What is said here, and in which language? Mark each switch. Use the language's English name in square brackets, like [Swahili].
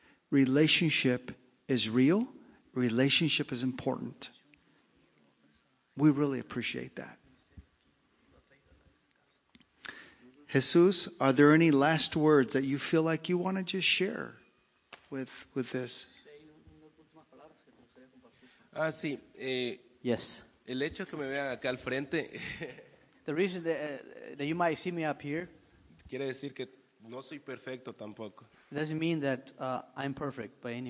[English] Relationship is real. Relationship is important. We really appreciate that. Jesus, are there any last words that you feel like you want to just share with this? [Spanish] Ah, sí. [English] Yes. [Spanish] El hecho que me vean acá al frente. [English] The reason that you might see me up here. [Spanish] Quiere decir que no soy perfecto tampoco. [English] It doesn't mean that I'm perfect by any